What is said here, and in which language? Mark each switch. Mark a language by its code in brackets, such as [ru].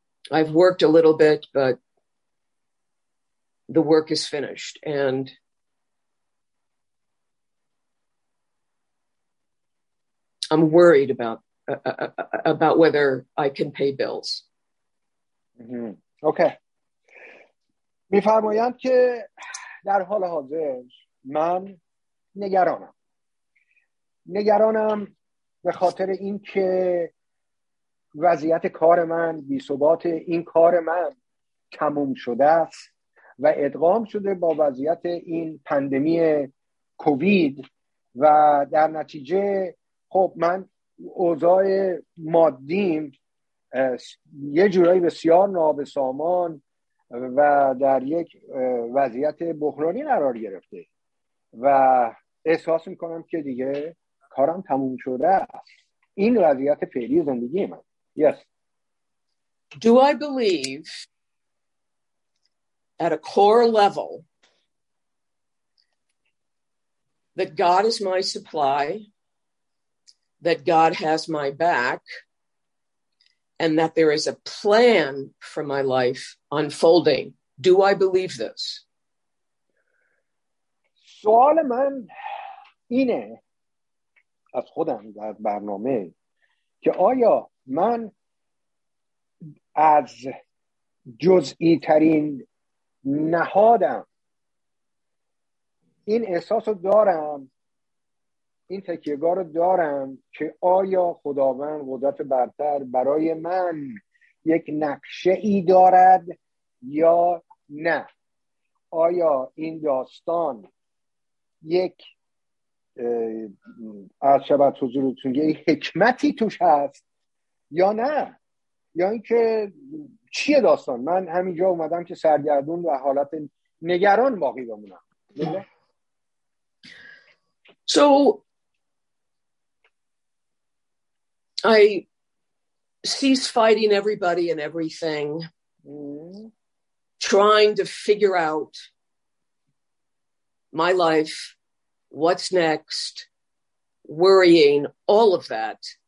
[en] I've worked a little bit, but the work is finished, and I'm worried about whether I can pay bills. Mm-hmm. Okay. [fa] می‌فرمایم که در حال حاضر من نگرانم. نگرانم به خاطر این که وضعیت کار من بی‌ثبات، این کار من تموم شده است و ادغام شده با وضعیت این پاندمی کووید و در نتیجه خب من اوضاع مادیم یه جورایی بسیار نابسامان و در یک وضعیت بحرانی قرار گرفته و احساس میکنم که دیگه کارم تموم شده است. این وضعیت فعلی زندگی من. Yes. [en] Do I believe at a core level that God is my supply, that God has my back, and that there is a plan for my life unfolding? Do I believe this? [fa] سوال من اینه از خودم در برنامه که آیا من از جزئی ترین نهادم این احساس رو دارم، این تکیه‌گاه رو دارم که آیا خداوند قدرت برتر برای من یک نقشه ای دارد یا نه؟ آیا این داستان یک از شبه حضورتون یک حکمتی توش هست یا نه؟ یا اینکه چیه داستان؟ من همینجا اومدم که سرگردون و حالت نگران باقی بمونم. [en] So I cease fighting everybody and everything, trying to figure out my life, what's next, worrying, all of that.